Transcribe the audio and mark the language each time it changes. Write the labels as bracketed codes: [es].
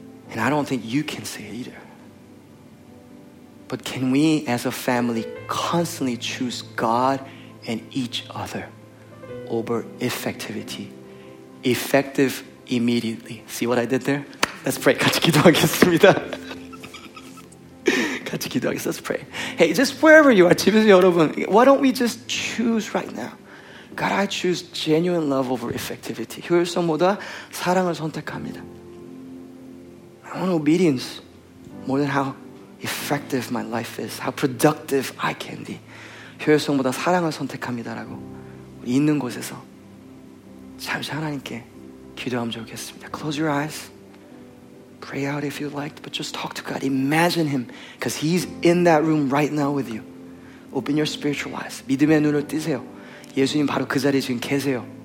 [en] And I don't think you can say it either. But can we as a family constantly choose God and each other over effectivity? Effective immediately. See what I did there? Let's pray. [ko] 같이 기도하겠습니다. 같이 기도하겠습니다. [en] Let's pray. Hey, just wherever you are, [ko] 집에서 여러분, [en] why don't we just choose right now? God, I choose genuine love over effectivity. [ko] 효율성보다 사랑을 선택합니다. [en] I want obedience more than how effective my life is, how productive I can be. [ko] 효율성보다 사랑을 선택합니다라고 우리 있는 곳에서 잠시 하나님께 기도하면 좋겠습니다. [en] Close your eyes. Pray out if you'd like, but just talk to God. Imagine Him, because He's in that room right now with you. Open your spiritual eyes. [ko] 믿음의 눈을 뜨세요. 예수님 바로 그 자리에 지금 계세요.